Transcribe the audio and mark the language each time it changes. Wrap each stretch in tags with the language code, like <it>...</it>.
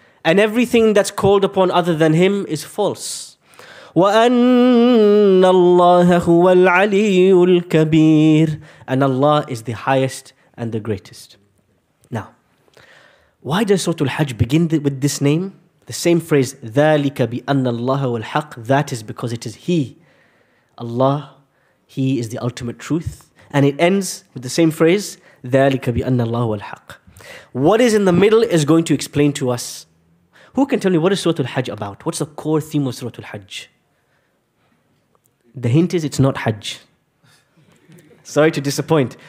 <en>And everything that's called upon other than Him is false.</en> <ar>وَأَنَّ اللَّهَ هُوَ الْعَلِيُّ الْكَبِيرِ.</ar> <en>And Allah is the highest and the greatest. Now, why does Suratul Hajj begin with this name? The same phrase,</en> <ar>ذَلِكَ بِأَنَّ اللَّهَ وَالْحَقِّ.</ar> <en>That is because it is He, Allah, He is the ultimate truth. And it ends with the same phrase,</en> <ar>ذَلِكَ بِأَنَّ اللَّهَ وَالْحَقِّ.</ar> <en>What is in the middle is going to explain to us. Who can tell me what is Suratul Hajj about? What's the core theme of Suratul Hajj? The hint is it's not Hajj. Sorry to disappoint.</en>